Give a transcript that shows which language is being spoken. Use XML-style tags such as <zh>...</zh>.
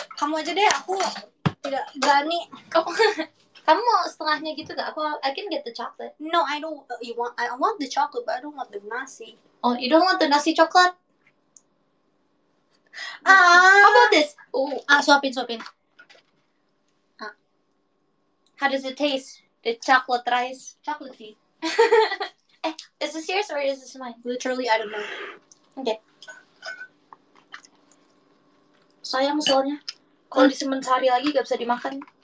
<id>Kamu aja deh, aku tidak berani. Kamu mau setengahnya gitu gak? Aku,</id> <en>I can get the chocolate. No, I don't, you want, I want the chocolate, but I don't want the nasi. Oh, you don't want the nasi coklat? How about this?</en> <id>Oh, suapin.</id> <en>How does it taste? The chocolate rice? Chocolatey. Eh, is this yours or is this mine? Literally, I don't know. Okay.</en> <id>Sayang soalnya, kalau disimpan sehari lagi gak bisa dimakan.</id>